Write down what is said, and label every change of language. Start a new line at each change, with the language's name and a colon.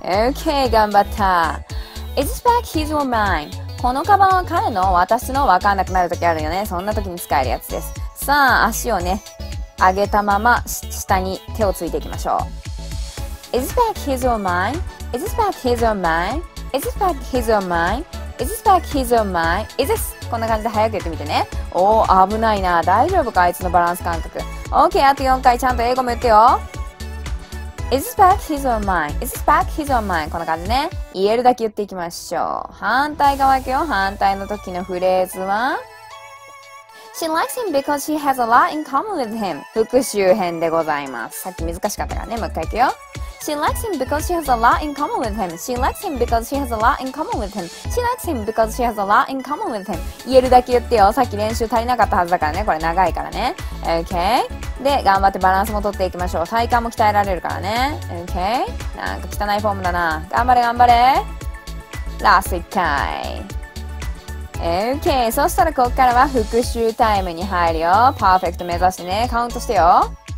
Japanese: OK、頑張った。
English: Is this bag his or mine?
Japanese: このカバンは彼の私の分かんなくなるときあるよね。そんなときに使えるやつです。さあ、足をね、上げたまま下に手をついていきましょう。
English: Is this bag his or mine? Is this bag his or mine? Is this bag his or mine? Is this bag his or mine? Is this?
Japanese: こんな感じで早く言ってみてね。おお、危ないな。大丈夫か、あいつのバランス感覚。 OK、あと4回ちゃんと英語も言ってよ。
English: Is this back his or mine? Is this back his or mine?
Japanese: こんな感じね。言えるだけ言っていきましょう。反対側行くよ。反対の時のフレーズは
English: She likes him because she has a lot in common with him.
Japanese: 復習編でございます。さっき難しかったからね。もう一回行くよ。
English: She likes him because she has a lot in common with him. She likes him because she has a lot in common with him. She likes him because she has a lot in common with him.
Japanese: 言えるだけ言ってよ。さっき練習足りなかったはずだからね。これ長いからね。OK。で、頑張ってバランスも取っていきましょう。体幹も鍛えられるからね。
English: OK。
Japanese: なんか汚いフォームだな。頑張れ頑張れ。ラスト1回。OK。そしたらここからは復習タイムに入るよ。パーフェクト目指してね。カウントしてよ。